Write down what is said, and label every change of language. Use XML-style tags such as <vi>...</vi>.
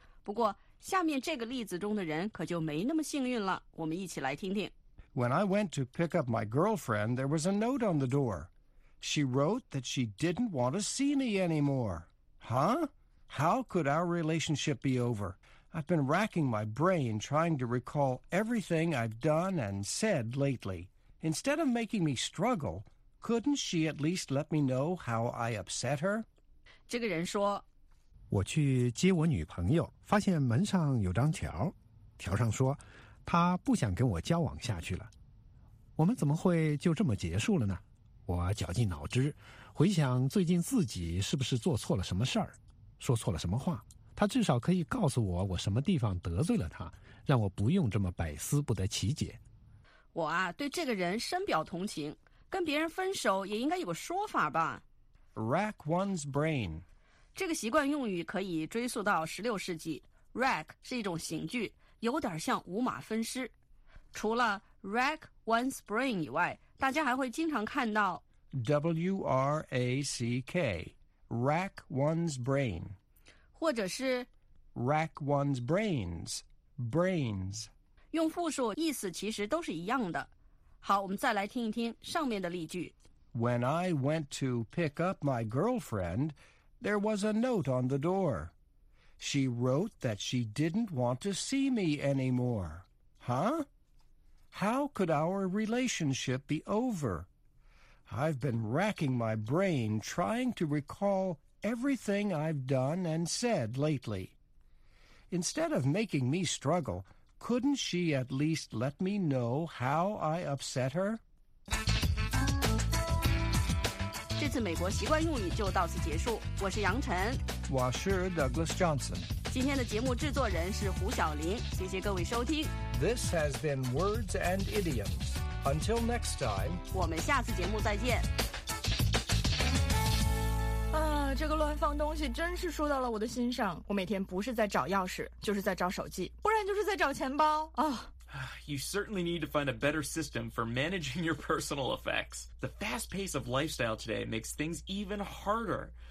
<zh>But下面这个例子中的人可就没那么幸运了，我们一起来听听。</zh> <en>When I went to pick up my girlfriend, there was a note on the door. She wrote that she didn't want to see me anymore. Huh? How could our relationship be over? I've been racking my brain trying to recall everything I've done and said lately. Instead of making me struggle, couldn't she at least let me know how I upset her?</en> <zh>这个人说，我去接我女朋友，发现门上有张条，条上说她不想跟我交往下去了。我们怎么会就这么结束了呢？我绞尽脑汁回想最近自己是不是做错了什么事儿，说错了什么话，她至少可以告诉我我什么地方得罪了她，让我不用这么百思不得其解。我啊，对这个人深表同情，跟别人分手也应该有个说法吧。</zh> <en>Rack one's brain，</en> <zh>这个习惯用语可以追溯到16世纪。 rack 是一种刑具，有点像五马分尸。除了</zh> <en>rack one's brain</en> <zh>以外，大家还会经常看到</zh> <en>W-R-A-C-K rack one's brain，</en> <zh>或者是</zh> <en>rack one's brains brains，</en> <zh>用复数意思其实都是一样的。好，我们再来听一听上面的例句。</zh> <en>When I went to pick up my girlfriendThere was a note on the door. She wrote that she didn't want to see me anymore. Huh? How could our relationship be over? I've been racking my brain trying to recall everything I've done and said lately. Instead of making me struggle, couldn't she at least let me know how I upset her?</en> <zh>这次美国习惯用语就到此结束。我是杨晨，我是 Douglas Johnson。今天的节目制作人是胡晓林，谢谢各位收听。</zh> <en>This has been Words and Idioms. Until next time，</en> <zh>我们下次节目再见。啊，这个乱放东西真是说到了我的心上。我每天不是在找钥匙，就是在找手机，不然就是在找钱包啊。</zh> <en>You certainly need to find a better system for managing your personal effects. The fast pace of lifestyle today makes things even harder.</en>